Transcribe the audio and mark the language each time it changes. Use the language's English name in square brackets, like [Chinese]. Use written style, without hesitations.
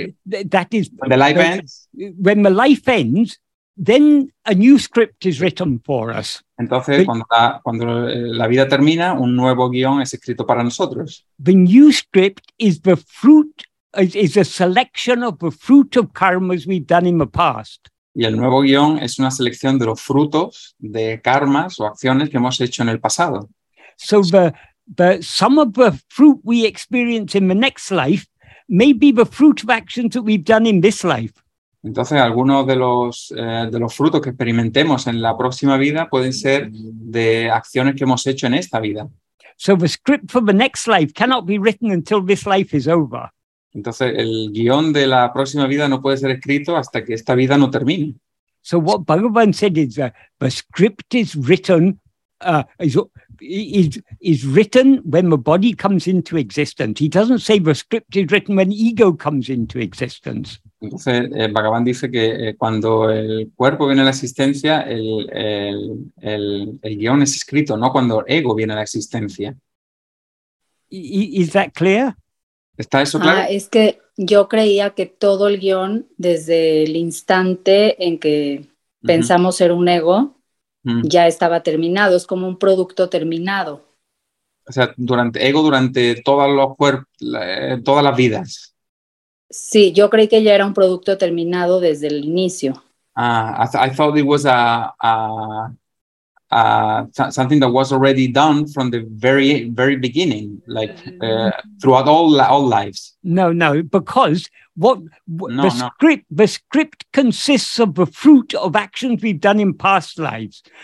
[English] when the life ends, then a new script is written for us. [Spanish] Entonces, cuando la vida termina, un nuevo guión es escrito para nosotros. [English] The new script is the fruit, is a selection of the fruit of karmas we've done in the past. [Spanish] Y el nuevo guión es una selección de los frutos de karmas o acciones que hemos hecho en el pasado. [English] So the some of the fruit we experience in the next life may be the fruit of actions that we've done in this life. [Spanish] Entonces, algunos de los frutos que experimentemos en la próxima vida pueden ser de acciones que hemos hecho en esta vida. [English] So the script for the next life cannot be written until this life is over. [Spanish] Entonces, el guión de la próxima vida no puede ser escrito hasta que esta vida no termine. [English] So what Bhagavan said is that the script is written is written when the body comes into existence. He doesn't say the script is written when ego comes into existence. [Spanish] Entonces, Bhagavan dice que cuando el cuerpo viene a la existencia, el guión es escrito, no cuando ego viene a la existencia. [English] Is that clear? [Spanish] ¿Está eso claro? Es que yo creía que todo el guión, desde el instante en que pensamos ser un ego, ya estaba terminado. Es como un producto terminado. O sea, durante todos los cuerpos, todas las vidas. Sí, yo creí que ya era un producto terminado desde el inicio. [English] I thought it was something that was already done from the very, very beginning, like throughout all lives. The script consists of the fruit of actions we've done in past lives.